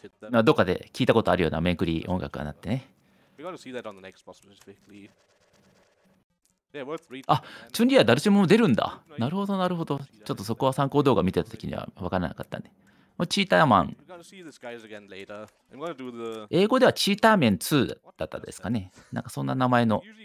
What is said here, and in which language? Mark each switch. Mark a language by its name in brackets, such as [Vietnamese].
[Japanese] どっかで聞いたことあるようなめくり音楽がなってね。 [English] We got to see that on the next boss specifically. Yeah, worth reading. [Japanese] あ、チュンリア、ダルシムも出るんだ。なるほど、なるほど。ちょっとそこは参考動画見てたときには分からなかったね。チーターマン。英語ではチーターメン2だったですかね。なんかそんな名前の。